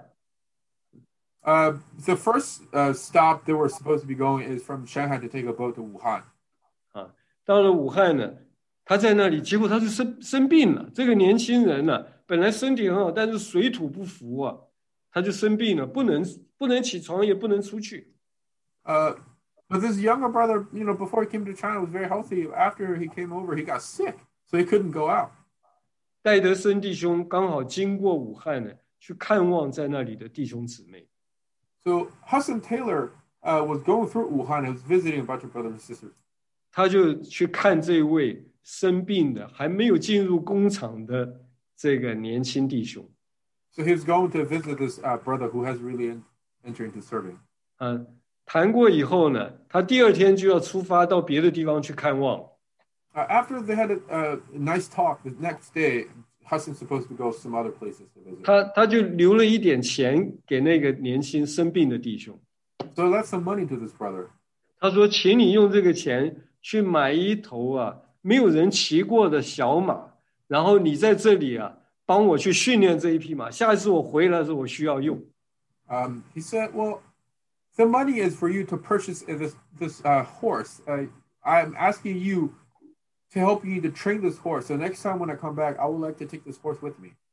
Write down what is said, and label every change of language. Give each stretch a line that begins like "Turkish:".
Chinese: 内地会啊。那么他第一站呢，从上海就坐船呢，到了武汉。The
English: first stop they were supposed to be going is from Shanghai to take a boat to Wuhan.
Chinese: 啊，到了武汉呢。他在那里，结果他就生病了。这个年轻人呢，本来身体很好，但是水土不服啊，他就生病了，不能起床，也不能出去。But
English: this younger brother, you know, before he came to China, was very healthy. After he came over, he got sick, so he couldn't go out.
Chinese: 戴德森弟兄刚好经过武汉呢，去看望在那里的弟兄姊妹。So
English: Hudson Taylor was going through Wuhan and was visiting a bunch of brothers and sisters.
Chinese: 他就去看这位。生病的还没有进入工厂的这个年轻弟兄。So
English: he's going to visit this brother who has really entered into serving.
Chinese: 谈过以后呢，他第二天就要出发到别的地方去看望。
English: After they had a nice talk, the next day, Hudson's supposed to go some other places to visit.
Chinese: 他就留了一点钱给那个年轻生病的弟兄。
English: So left some money to this brother.
Chinese: 他说，请你用这个钱去买一头啊，没有人骑过的小马，然后你在这里啊，帮我去训练这一匹马。下一次我回来的时候，我需要用。
English: He said, "Well, the money is for you to purchase this horse. I'm asking you to help me to train this horse. So next time when I come back, I would like to take this horse with me."